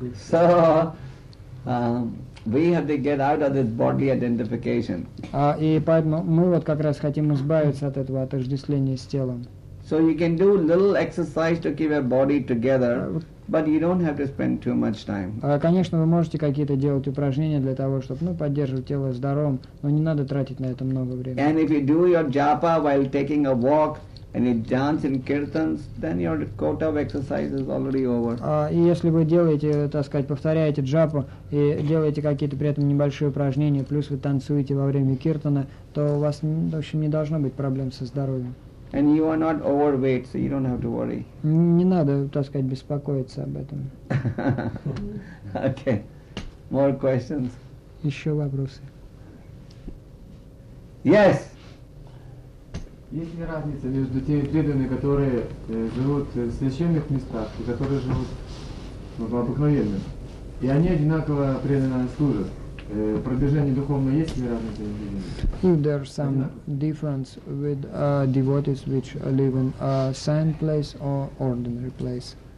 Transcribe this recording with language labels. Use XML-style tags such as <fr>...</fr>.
<en>So, we have to get out of this body identification.</en> <ru>И поэтому мы вот как раз хотим избавиться от этого отождествления с телом.</ru> <en>So you can do little exercise to keep your body together, but you don't have to spend too much time.</en> <ru>Конечно, вы можете какие-то делать упражнения для того, чтобы, ну, поддерживать тело здоровым, но не надо тратить на это много времени.</ru> <en>And if you do your japa while taking a walk, and you dance in kirtans, then your quota of exercise is already over.</en> <ru>И если вы делаете, так сказать, повторяете джапу и делаете какие-то при этом небольшие упражнения, плюс вы танцуете во время киртана, то у вас, в общем, не должно быть проблем со здоровьем.</ru> <en>And you are not overweight, so you don't have to worry.</en> <ru>Не надо, так сказать, беспокоиться об этом.</ru> <en>Okay. More questions.</en> <ru>Еще вопросы.</ru> <en>Yes.</en> <ru>Есть ли разница между теми преданными, которые живут в священных местах и которые живут в обыкновенных? И они одинаково преданно служат. Продвижение духовное есть ли разница между ними?</ru> <en>If there is some difference with devotees which live in a saint place or ordinary place.</en>